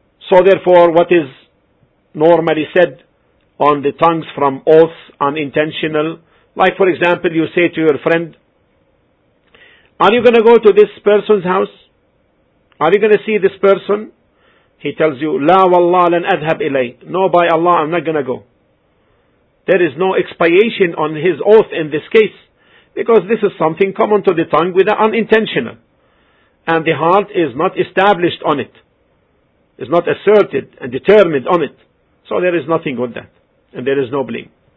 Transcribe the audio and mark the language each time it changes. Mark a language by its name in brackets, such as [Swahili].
[English] So therefore, what is normally said on the tongues from oaths, unintentional, like, for example, you say to your friend, are you going to go to this person's house? Are you going to see this person? He tells you, [Arabic] لا والله لن أذهب إلي. [English] No, by Allah, I'm not going to go. There is no expiation on his oath in this case, because this is something common to the tongue with the unintentional. And the heart is not established on it, is not asserted and determined on it. So there is nothing with that, and there is no blame.